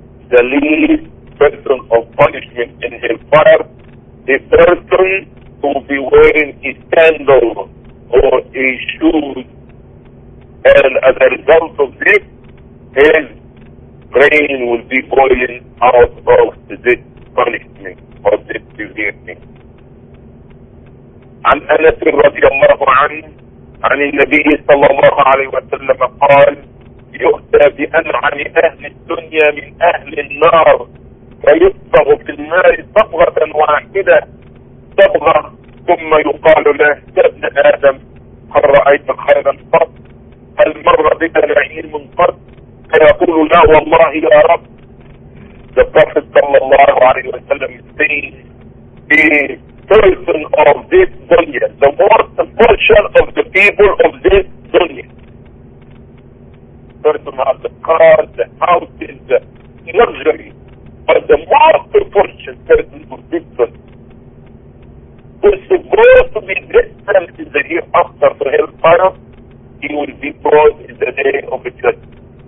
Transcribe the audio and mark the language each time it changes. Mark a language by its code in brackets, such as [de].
[en] The least person of punishment in his fire, the person who will be wearing a sandal or a shoe, and as a result of this, his brain will be boiling out of this punishment or this severe thing. [ar] عن أنس رضي الله عنه عن النبي صلى الله عليه وسلم قال يؤتى بأنعم أهل الدنيا من أهل النار فيصبغ في النار صبغة واحدة صبغة ثم يقال له يا ابن آدم هل رأيت خيرا قط؟ هل مر بك نعيم قط؟ فيقول لا والله يا رب. [en] The Prophet صلى الله عليه وسلم says, the person of this dunya, the worst portion of the people of this dunya, person of the cars, the houses, the luxury, but the most portion person of this dunya, who's supposed to be distant in the hereafter to hellfire, he will be brought in the day of judgment.